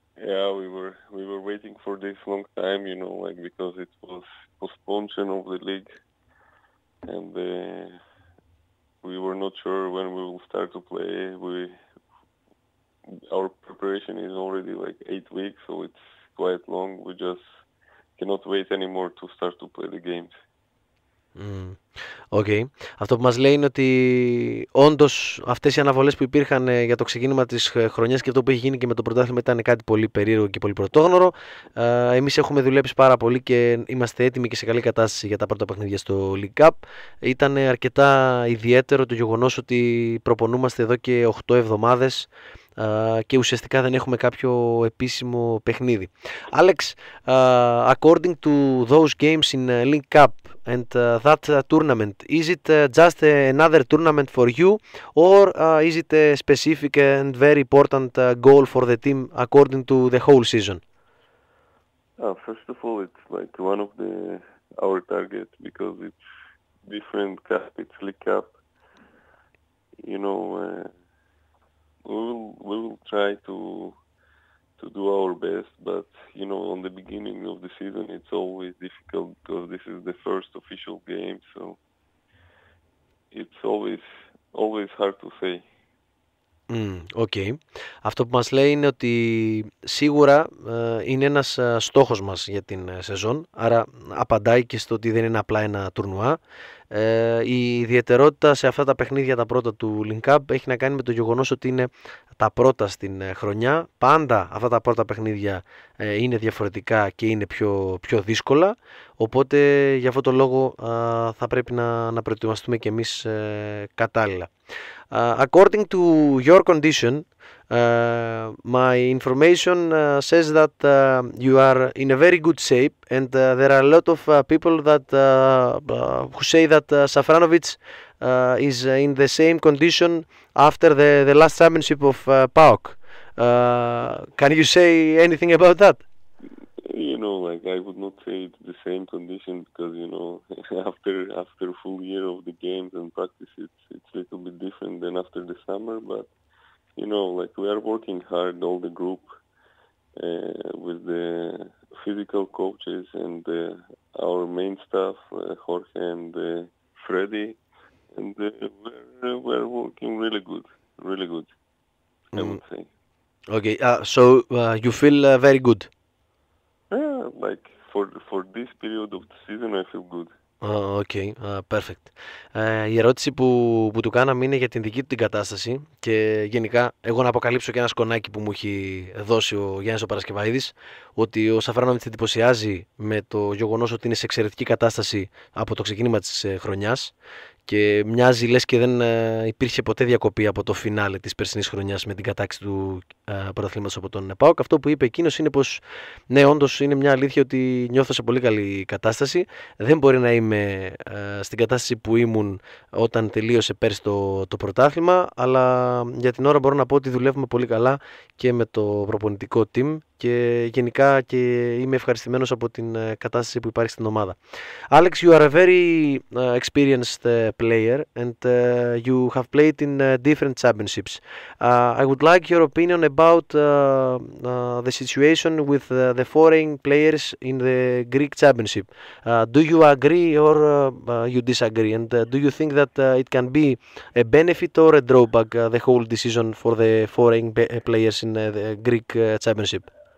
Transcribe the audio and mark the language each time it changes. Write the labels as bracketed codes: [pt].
[en] Yeah, we were waiting for this long time, you know, like because it was postponed of the league and we were not sure when we will start to play. Our preparation is already like 8 weeks, so it's quite long. We just cannot wait anymore to start to play the games. Okay. [el] Αυτό που μας λέει είναι ότι όντως αυτές οι αναβολές που υπήρχαν για το ξεκίνημα της χρονιάς και αυτό που έχει γίνει και με το πρωτάθλημα ήταν κάτι πολύ περίεργο και πολύ πρωτόγνωρο. Εμείς έχουμε δουλέψει πάρα πολύ και είμαστε έτοιμοι και σε καλή κατάσταση για τα πρώτα παιχνίδια στο League Cup. Ήταν αρκετά ιδιαίτερο το γεγονός ότι προπονούμαστε εδώ και 8 εβδομάδες και ουσιαστικά δεν έχουμε κάποιο επίσημο παιχνίδι. [en] Alex, according to those games in League Cup and that tournament, is it just another tournament for you or is it a specific and very important goal for the team according to the whole season? First of all, it's like one of our targets because it's different cup, it's League Cup. You know, we will try to do our best, but you know, on the beginning of the season, it's always difficult because this is the first official game, so it's always hard to say. Okay. [el] Αυτό που μας λέει είναι ότι σίγουρα είναι ένας στόχος μας για την σεζόν, άρα απαντάει και στο ότι δεν είναι απλά ένα τουρνουά. Η ιδιαιτερότητα σε αυτά τα παιχνίδια τα πρώτα του Link Up έχει να κάνει με το γεγονός ότι είναι τα πρώτα στην χρονιά. Πάντα αυτά τα πρώτα παιχνίδια είναι διαφορετικά και είναι πιο δύσκολα. Οπότε για αυτό το λόγο θα πρέπει να προετοιμαστούμε και εμείς κατάλληλα. [en] According to your condition, my information says that you are in a very good shape, and there are a lot of people that who say that Safranovic is in the same condition after the last championship of PAOK. Can you say anything about that? You know, like I would not say it's the same condition because you know, after a full year of the games and practice, it's a little bit different than after the summer, but. You know, like we are working hard, all the group, with the physical coaches and our main staff, Jorge and Freddy, and we're working really good, really good. I would say. Okay. You feel very good. Yeah, like for this period of the season, I feel good. Okay, perfect. [el] Η ερώτηση που του κάναμε είναι για την δική του την κατάσταση και γενικά εγώ να αποκαλύψω και ένα σκονάκι που μου έχει δώσει ο Γιάννης ο Παρασκευαίδης, ότι ο Σαφράνοβιτς εντυπωσιάζει με το γεγονός ότι είναι σε εξαιρετική κατάσταση από το ξεκίνημα της χρονιάς και μοιάζει λες και δεν υπήρχε ποτέ διακοπή από το φινάλε της περσινής χρονιάς με την κατάξυση του πρωταθλήματος από τον ΠΑΟΚ. Αυτό που είπε εκείνος είναι πως ναι, όντως είναι μια αλήθεια ότι νιώθω σε πολύ καλή κατάσταση. Δεν μπορεί να είμαι στην κατάσταση που ήμουν όταν τελείωσε πέρσι το πρωτάθλημα, αλλά για την ώρα μπορώ να πω ότι δουλεύουμε πολύ καλά και με το προπονητικό team και γενικά και είμαι ευχαριστημένος από την κατάσταση που υπάρχει στην ομάδα. [en] Alex, you are a very experienced player and you have played in different championships. I would like your opinion about the situation with the foreign players in the Greek championship. Do you agree or you disagree, and do you think that it can be a benefit or a drawback the whole decision for the foreign players in the Greek championship?